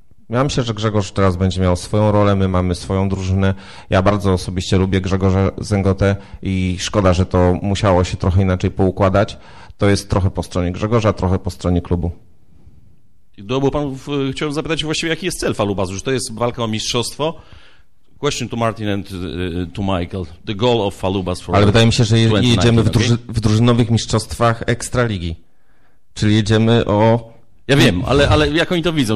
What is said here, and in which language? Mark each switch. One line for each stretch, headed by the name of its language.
Polish: Ja myślę, że Grzegorz teraz będzie miał swoją rolę, my mamy swoją drużynę. Ja bardzo osobiście lubię Grzegorza Zęgotę i szkoda, że to musiało się trochę inaczej poukładać. To jest trochę po stronie Grzegorza, trochę po stronie klubu. Bo pan chciałem zapytać właściwie, jaki jest cel Falubazu, że to jest walka o mistrzostwo?
English: Question to Martin and to Michael. The goal of Falubaz for...
Polish: Ale wydaje mi się, że jedziemy w drużynowych mistrzostwach Ekstraligi. Czyli jedziemy o... Ja wiem, ale jak oni to widzą?